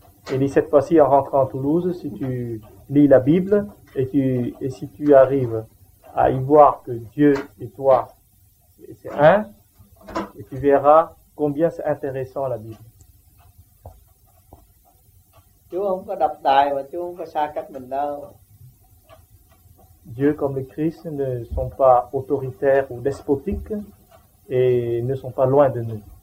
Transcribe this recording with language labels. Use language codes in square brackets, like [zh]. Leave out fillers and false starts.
[fr] Et cette fois-ci, en rentrant à Toulouse, si tu lis la Bible et si tu arrives à y voir que Dieu et toi, c'est un, et tu verras combien c'est intéressant la Bible. [vi] Chúa không có độc tài và Chúa không có xa cách mình đâu. [fr] Dieu comme le Christ ne sont pas autoritaires ou despotiques et ne sont pas loin de nous.